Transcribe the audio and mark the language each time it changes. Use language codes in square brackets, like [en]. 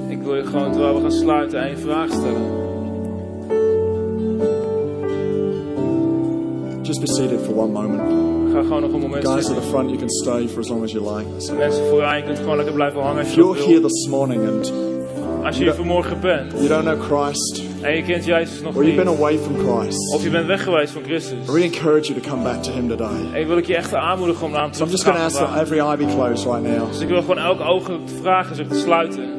[nl] Ik wil je gewoon terwijl we gaan sluiten één vraag stellen. [en] Just be seated for one moment. [nl] Ga gewoon nog een moment. [en] Guys at the front, you can stay for as long as you like. [nl] Mensen vooraan, je kunt gewoon lekker blijven hangen. [en] If you're here this morning and [nl] als je hier vanmorgen bent, [en] you don't know Christ, [nl] en je kent Jezus nog niet, [en] or you've been away from Christ, [nl] of je bent weg geweest van Christus, [en] I really encourage you to come back to Him today. [nl] En wil ik je echt aanmoedigen om naar Hem terug te gaan. [en] Every eye be closed right now. [nl] Dus ik wil gewoon elke ogen vragen zich te sluiten.